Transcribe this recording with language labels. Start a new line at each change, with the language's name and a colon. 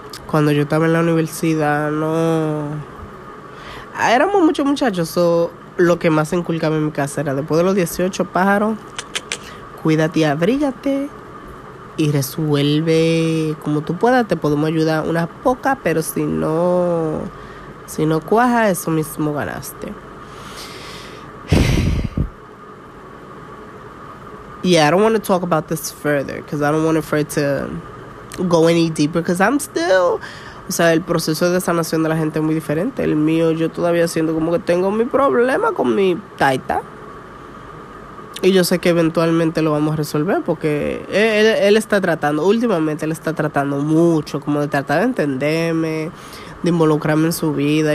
Spanish: cuando yo estaba en la universidad, no... éramos muchos muchachos, so, lo que más inculcaba en mi casa era, después de los 18, pájaro, cuídate y abrígate y resuelve como tú puedas. Te podemos ayudar unas pocas, pero si no cuaja, eso mismo ganaste.
English: Yeah, I don't want to talk about this further, because I don't want it for it to go any deeper, because I'm still...
Spanish: O sea, el proceso de sanación de la gente es muy diferente. El mío, yo todavía siento como que tengo mi problema con mi taita. Y yo sé que eventualmente lo vamos a resolver porque él está tratando, últimamente él está tratando mucho, como de tratar de entenderme, de involucrarme en su vida.